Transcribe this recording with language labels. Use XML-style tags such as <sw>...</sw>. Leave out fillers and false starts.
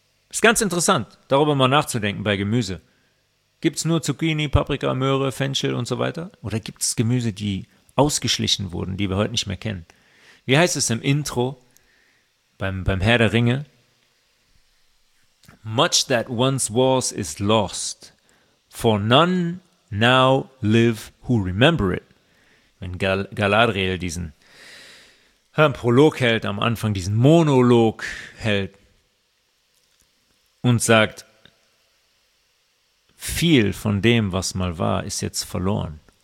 <de>Ist ganz interessant, darüber mal nachzudenken bei Gemüse. Gibt's nur Zucchini, Paprika, Möhre, Fenchel und so weiter? Oder gibt's Gemüse, die ausgeschlichen wurden, die wir heute nicht mehr kennen? Wie heißt es im Intro beim Herr der Ringe?</de> <en>Much that once was is lost, for none now live who remember it.</en> <de>Wenn Galadriel diesen Prolog hält, am Anfang diesen Monolog hält und sagt, viel von dem, was mal war, ist jetzt verloren.</de>